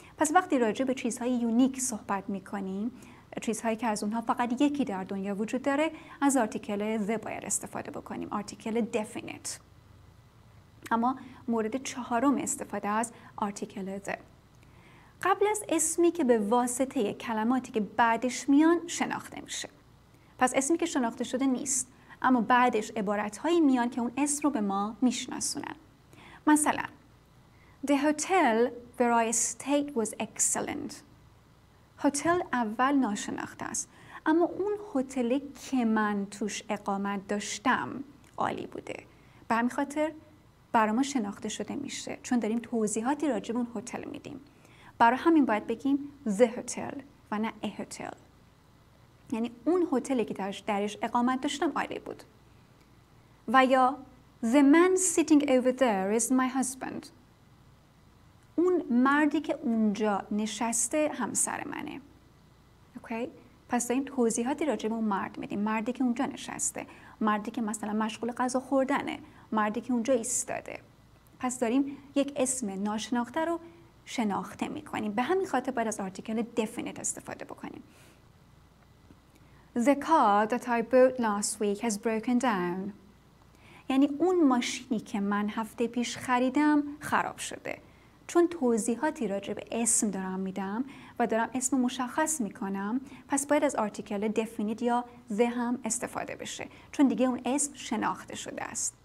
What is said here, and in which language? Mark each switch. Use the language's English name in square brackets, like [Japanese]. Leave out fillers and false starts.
[Persian] پس وقتی راجع به چیزهای یونیک صحبت میکنیم، چیزهایی که از اونها فقط یکی در دنیا وجود داره، از آرتیکل the باید استفاده بکنیم، آرتیکل definite. اما مورد چهارم استفاده از آرتیکل the، قبل از اسمی که به واسطه کلماتی که بعدش میان شناخته میشه. پس اسمی که شناخته شده نیست، اما بعدش عبارتهایی میان که اون اسم رو به ما میشناسونن. [English] مثلا The hotel where I stayed was excellent. [Persian] هتل اول ناشناخته است، اما اون هتلی که من توش اقامت داشتم عالی بوده. به همین خاطر برای ما شناخته شده میشه، چون داریم توضیحاتی راجع به اون هتل میدیم. برای همین باید بگیم [English] the hotel [Persian] و نه [English] a hotel. [Persian] یعنی اون هتلی که درش اقامت داشتم عالی بود. و یا [English] the man sitting over there is my husband. [Persian] اون مردی که اونجا نشسته همسر منه. اوکی؟ پس داریم توضیحاتی راجع به اون مرد میدیم. مردی که اونجا نشسته. مردی که مثلا مشغول غذا خوردنه. مردی که اونجا ایستاده. پس داریم یک اسم ناشناخته رو شناخته میکنیم. به همین خاطر باید از آرتیکل definite استفاده بکنیم. [English] The car that I bought last week has broken down. [Persian] یعنی اون ماشینی که من هفته پیش خریدم خراب شده. چون توضیحاتی راجع به اسم دارم میدم و دارم اسم مشخص میکنم، پس باید از آرتیکل دفینیت یا زه هم استفاده بشه، چون دیگه اون اسم شناخته شده است.